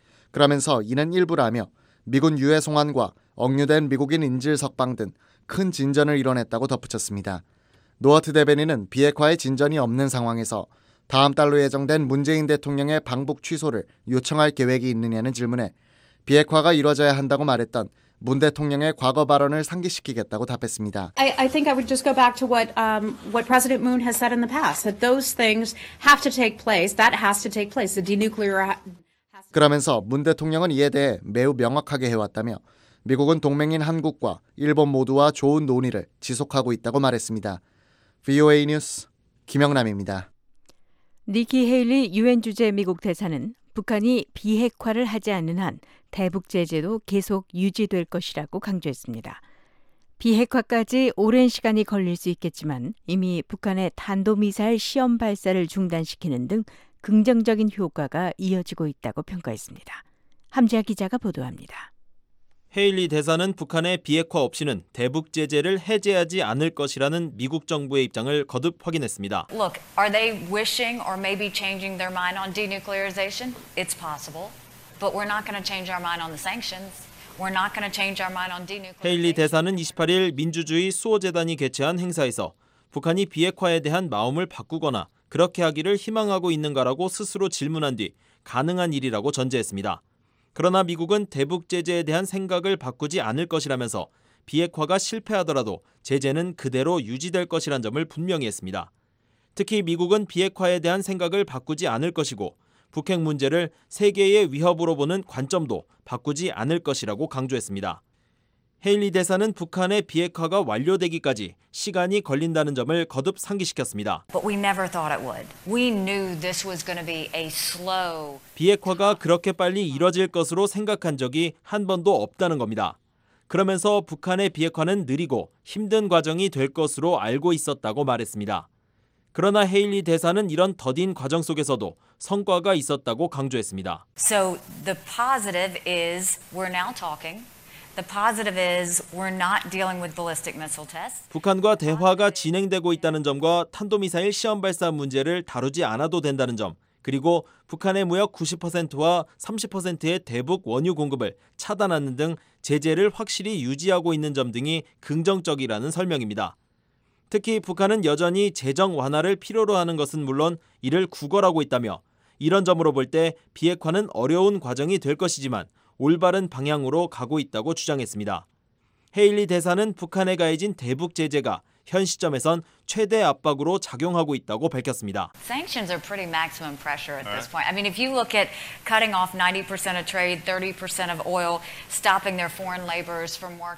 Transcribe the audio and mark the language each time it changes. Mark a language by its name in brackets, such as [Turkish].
[Korean] 그러면서 이는 일부라며 미군 유해 송환과 억류된 미국인 인질 석방 등 큰 진전을 이뤄냈다고 덧붙였습니다. 노어트 대변인은 비핵화의 진전이 없는 상황에서 다음 달로 예정된 문재인 대통령의 방북 취소를 요청할 계획이 있느냐는 질문에 비핵화가 이뤄져야 한다고 말했던 문 대통령의 과거 발언을 상기시키겠다고 답했습니다. [English] I think I would just go back to what President Moon has said in the past, that those things have to take place, that has to take place, the denuclear [Korean] 그러면서 문 대통령은 이에 대해 매우 명확하게 해왔다며 미국은 동맹인 한국과 일본 모두와 좋은 논의를 지속하고 있다고 말했습니다. VOA 뉴스 김영남입니다. 니키 헤일리 유엔 주재 미국 대사는 북한이 비핵화를 하지 않는 한 대북 제재도 계속 유지될 것이라고 강조했습니다. 비핵화까지 오랜 시간이 걸릴 수 있겠지만 이미 북한의 탄도미사일 시험 발사를 중단시키는 등 긍정적인 효과가 이어지고 있다고 평가했습니다. 함재아 기자가 보도합니다. 헤일리 대사는 북한의 비핵화 없이는 대북 제재를 해제하지 않을 것이라는 미국 정부의 입장을 거듭 확인했습니다. [English] Look, are they wishing or maybe changing their mind on denuclearization? It's possible. But we're not going to change our mind on the sanctions. We're not going to change our mind on denuclearization. [Korean] 헤일리 대사는 28일 민주주의 수호 재단이 개최한 행사에서 북한이 비핵화에 대한 마음을 바꾸거나 그렇게 하기를 희망하고 있는가라고 스스로 질문한 뒤 가능한 일이라고 전제했습니다. 그러나 미국은 대북 제재에 대한 생각을 바꾸지 않을 것이라면서 비핵화가 실패하더라도 제재는 그대로 유지될 것이란 점을 분명히 했습니다. 특히 미국은 비핵화에 대한 생각을 바꾸지 않을 것이고 북핵 문제를 세계의 위협으로 보는 관점도 바꾸지 않을 것이라고 강조했습니다. 헤일리 대사는 북한의 비핵화가 완료되기까지 시간이 걸린다는 점을 거듭 상기시켰습니다. [English] But we never thought it would. We knew this was going to be a slow. [Korean] 비핵화가 그렇게 빨리 이뤄질 것으로 생각한 적이 한 번도 없다는 겁니다. 그러면서 북한의 비핵화는 느리고 힘든 과정이 될 것으로 알고 있었다고 말했습니다. 그러나 헤일리 대사는 이런 더딘 과정 속에서도 성과가 있었다고 강조했습니다. [English] So the positive is we're now talking. The positive is we're not dealing with ballistic missile tests. [Korean] 북한과 대화가 진행되고 있다는 점과 탄도미사일 시험 발사 문제를 다루지 않아도 된다는 점, 그리고 북한의 무역 90%와 30%의 대북 원유 공급을 차단하는 등 제재를 확실히 유지하고 있는 점 등이 긍정적이라는 설명입니다. 특히 북한은 여전히 재정 완화를 필요로 하는 것은 물론 이를 구걸하고 있다며 이런 점으로 볼 때 비핵화는 어려운 과정이 될 것이지만 올바른 방향으로 가고 있다고 주장했습니다. 헤일리 대사는 북한에 가해진 대북 제재가 현 시점에선 최대 압박으로 작용하고 있다고 밝혔습니다. [English] Sanctions are pretty maximum pressure at this point. I mean, if you look at cutting off 90% of trade, 30% of oil, stopping their foreign laborers from working.